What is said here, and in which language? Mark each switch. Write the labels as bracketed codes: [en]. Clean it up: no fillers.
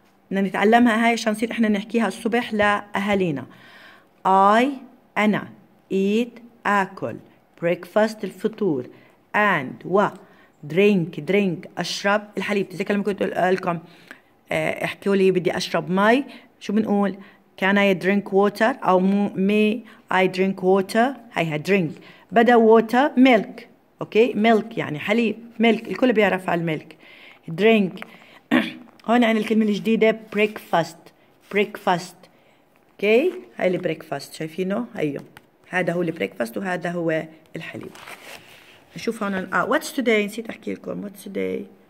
[ar] بدنا نتعلمها هاي عشان نصير احنا نحكيها الصبح لأهالينا. I. أنا. Eat. أكل. Breakfast. الفطور. And. و. Drink, drink, أشرب الحليب. تذكر لما كنت أقول لكم احكيوا لي بدي أشرب مي. شو بنقول؟ [en] Can I drink water? أو may I drink water? هيها drink. بدأ water, milk. [ar] Okay, milk يعني حليب. Milk, الكل بيعرف على الملك. [en] Drink. [ar] هون عن الكلمة الجديدة breakfast. Breakfast. Okay, هاي اللي breakfast. شايفينه؟ هايو. هذا هو اللي breakfast وهذا هو الحليب. نشوف هون [en] what's today. [ar] نسيت احكي لكم what's today.